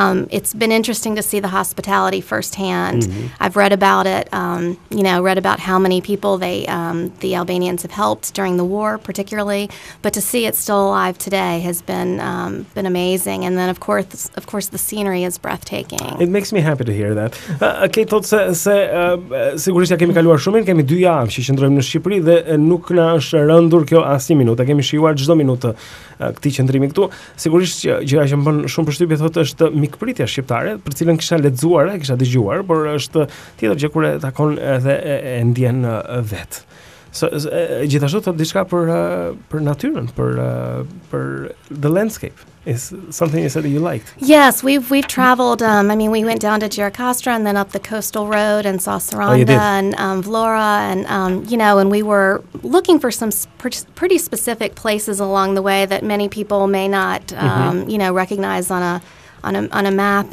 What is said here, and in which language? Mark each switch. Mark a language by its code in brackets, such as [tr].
[en] It's been interesting to see the hospitality firsthand. Mm-hmm. I've read about it, read about how many people the Albanians have helped during the war, particularly. But to see it still alive today has been amazing. And then, of course, the scenery is breathtaking. It makes me happy to hear that. [sq] Okay, thot se sigurisht ja kemi kaluar shumën, kemi dy javë që qëndrojmë në Shqipëri dhe nuk na është rënd dur kjo asnjë minutë, kemi shijuar çdo minutë këtij qendrimi këtu. Sigurisht që gjëja që më bën shumë përshtypje thotë është mikpritja shqiptare, për cilën kisha lexuar, kisha dëgjuar, por është tjetër gjë kur e takon edhe e ndjen vet. Gjithashtu thotë diçka për natyrën, për [en] the landscape. Is something you said that you liked? Yes, we've traveled. We went down to Gjirokastra and then up the coastal road and saw Saranda and Vlora and and we were looking for some pretty specific places along the way that many people may not recognize on a map.